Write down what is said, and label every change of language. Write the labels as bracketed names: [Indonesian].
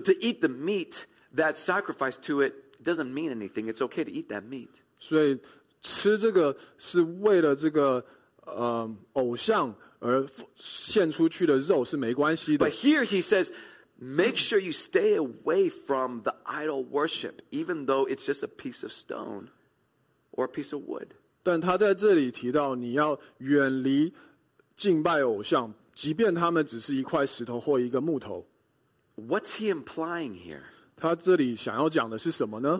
[English] to eat the meat that sacrificed to it doesn't mean anything. It's okay to eat that meat. [Chinese] 所以吃这个是为了这个偶像。 [English] But here he says, make sure you stay away from the idol worship, even though it's just a piece of stone or a piece of wood. [Chinese] 但他在这里提到你要远离敬拜偶像，即便他们只是一块石头或一个木头。 [English] What's he implying here? [Chinese] 他这里想要讲的是什么呢?